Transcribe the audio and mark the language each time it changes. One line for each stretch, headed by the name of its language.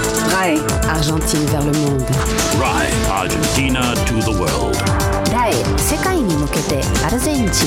French: RAE, Argentine vers le monde.
English: RAE, Argentina to the world.
Japanese: RAE, 世界に向けて Argentina.